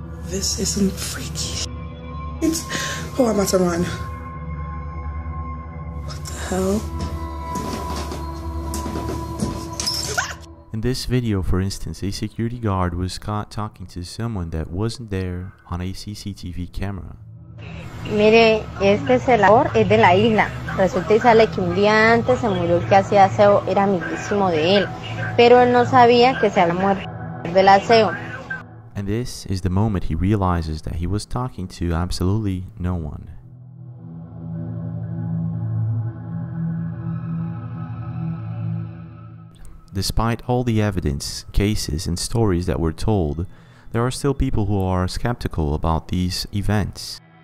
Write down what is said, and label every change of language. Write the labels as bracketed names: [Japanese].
[English] This is some freaky shit. Oh, I'm about to run. What the hell? In this video, for instance, a security guard was caught talking to someone that wasn't there on a CCTV camera. [Spanish] Mire, este celador es de la isla. Resulta y sale que un día antes se murió el que hacía aseo, era amiguísimo de él. Pero él no sabía que se había muerto del aseo. [English] And this is the moment he realizes that he was talking to absolutely no one. Despite all the evidence, cases, and stories that were told, there are still people who are skeptical about these events.